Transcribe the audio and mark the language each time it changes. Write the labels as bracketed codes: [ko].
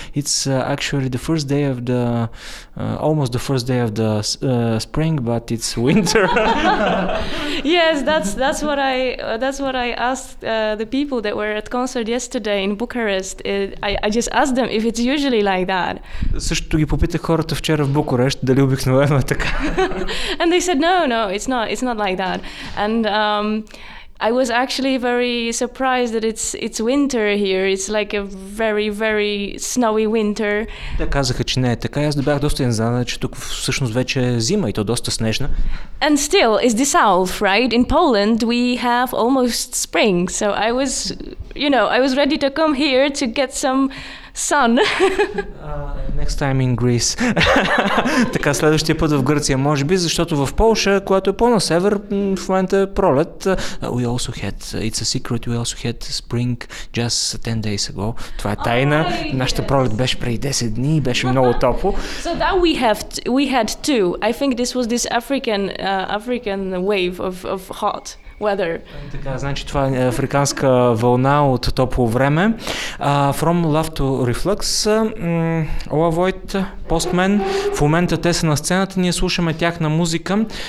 [en] It's actually the first day of the, almost the first day of the spring, but it's winter. Yes, that's what I asked the people that were at concert yesterday in Bucharest. I just asked them if it's usually like that. [bg] Същото ги попитах хората вчера в Букурещ, дали обикновено е така. [en] And they said, no, it's not like that. And I was actually very surprised that it's winter here. It's like a very, very snowy winter. [bg] Те казаха, че не е така. Аз бях доста изненадан, че тук всъщност вече е зима и то доста снежна. [en] And still, it's the south, right? In Poland, we have almost spring. So I was, I was ready to come here to get some sun. Next time in Greece. [bg] Така, следващия път в Гърция, може би, защото в Полша, която е по-на север, в момента е пролет. [en] We also had, it's a secret, we also had spring just 10 days ago. [bg] Това е тайна. Нашата пролет беше преди 10 дни, беше много топло. [en] So that we had two. I think this was this African wave of hot weather. [bg] Така, значи това е африканска вълна от топло време. From Love to Reflux, Ola Void, Postman, в момента те са на сцената, ние слушаме тяхна музика.